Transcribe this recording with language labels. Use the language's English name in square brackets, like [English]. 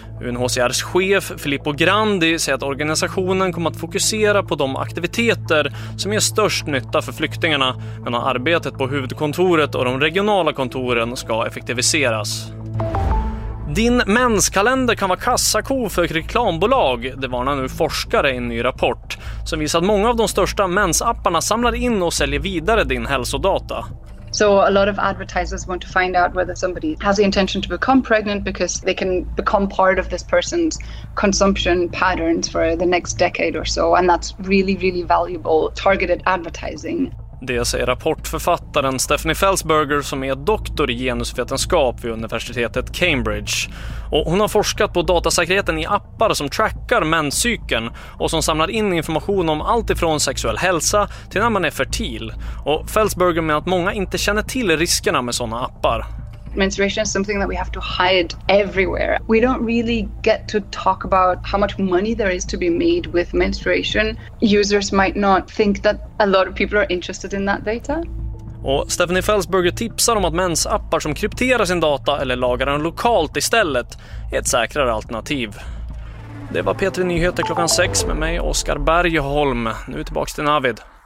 [Swedish] UNHCRs chef Filippo Grandi säger att organisationen kommer att fokusera på de aktiviteter som ger störst nytta för flyktingarna, men arbetet på huvudkontoret och de regionala kontoren ska effektiviseras. Din menskalender kan vara kassako för reklambolag. Det varnar nu forskare i en ny rapport som visar att många av de största mensapparna samlar in och säljer vidare din hälsodata. [English] So a lot of advertisers want to find out whether somebody has the intention to become pregnant because they can become part of this person's consumption patterns for the next decade or so, and that's really really valuable targeted advertising. [Swedish] Det säger rapportförfattaren Stephanie Felsberger som är doktor i genusvetenskap vid universitetet Cambridge. Och hon har forskat på datasäkerheten i appar som trackar menscykeln och som samlar in information om allt ifrån sexuell hälsa till när man är fertil. Och Felsberger menar att många inte känner till riskerna med sådana appar. [English] Menstruation is something that we have to hide everywhere. We don't really get to talk about how much money there is to be made with menstruation. Users might not think that a lot of people are interested in that data. [Swedish] Och Stephanie Felsberger tipsar om att mensappar som krypterar sin data eller lagrar den lokalt istället är ett säkrare alternativ. Det var P3 Nyheter klockan 6 med mig Oskar Bergholm. Nu tillbaka till Navid.